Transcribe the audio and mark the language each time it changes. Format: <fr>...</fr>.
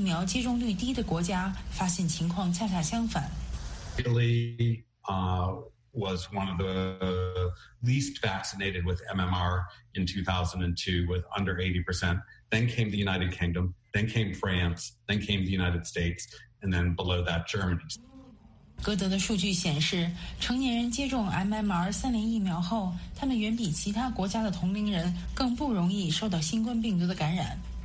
<zh>戈德后来研究了麻疹疫苗接种率低的国家，发现情况恰恰相反。</zh> <en>Italy was one of the least vaccinated with MMR in 2002 with under 80%. Then came the United Kingdom, then came France, then came the United States, and then below that, Germany.</en> <zh>戈德的数据显示，成年人接种 MMR 三联疫苗后，他们远比其他国家的同龄人更不容易受到新冠病毒的感染。</zh>